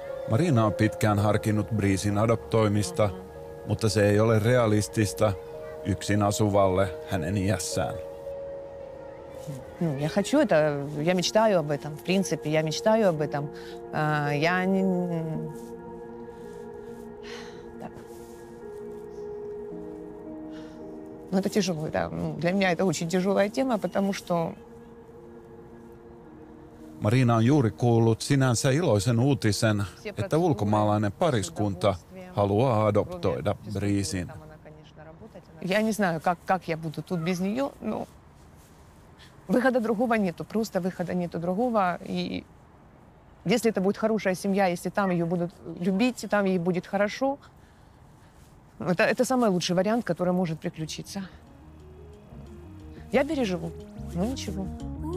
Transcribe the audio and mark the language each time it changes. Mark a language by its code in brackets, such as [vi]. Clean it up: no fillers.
[fi] Marina on pitkään harkinnut Breezin adoptoimista, mutta se ei ole realistista yksin asuvalle hänen iässään. [ru] Я хочу это, я мечтаю об этом. В принципе, я мечтаю об этом. Я не... Так. Ну, это тяжело, да. Для меня это очень тяжелая тема, потому что... [fi] Марина on juuri kuullut sinänsä iloisen uutisen, että ulkomaalainen pariskunta haluaa adoptoida Breezin. [ru] Я не знаю, как я буду тут без нее, но... Выхода другого нету, просто выхода нету другого. И если это будет хорошая семья, если там ее будут любить, там ей будет хорошо, это самый лучший вариант, который может приключиться. Я переживу, но ничего.